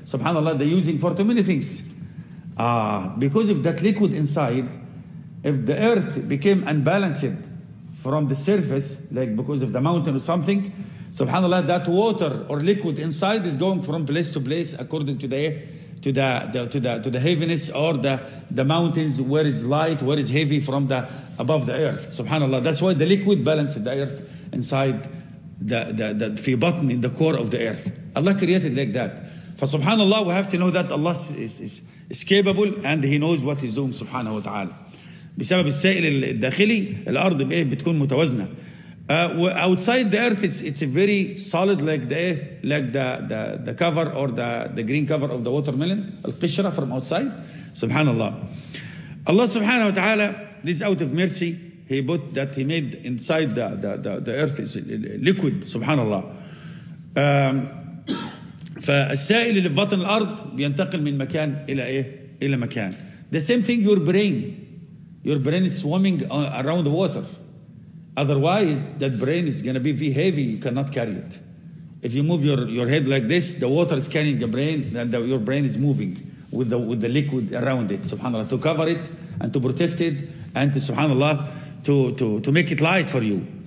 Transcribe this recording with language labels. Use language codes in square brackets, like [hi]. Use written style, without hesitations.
[en] SubhanAllah, they're using for too many things. Because of that liquid inside, if the earth became unbalanced from the surface, like because of the mountain or something, SubhanAllah, that water or liquid inside is going from place to place according to the heaviness or the mountains where is light, where is heavy from the above the earth. SubhanAllah, that's why the liquid balances the earth inside the [ar] في بطن [en] in the core of the earth. Allah created like that. فسبحانallah, we have to know that Allah is capable and He knows what He's doing, subhanahu wa ta'ala. [ar] بسبب السائل الداخلي الأرض بإيه بتكون متوازنة. [en] Outside the earth it's a very solid like the cover or the green cover of the watermelon, القشرة from outside. سبحانallah. Allah subhanahu wa ta'ala, this out of mercy, He made inside the earth is liquid, subhanAllah. [ar] فالسائل اللي في بطن الأرض بينتقل من مكان إلى إيه؟ إلى مكان. [en] The same thing your brain. Your brain is swimming around the water. Otherwise, that brain is going to be very heavy. You cannot carry it. If you move your head like this, the water is carrying the brain, and your brain is moving with the liquid around it, subhanAllah, to cover it and to protect it and to, subhanAllah, to make it light for you.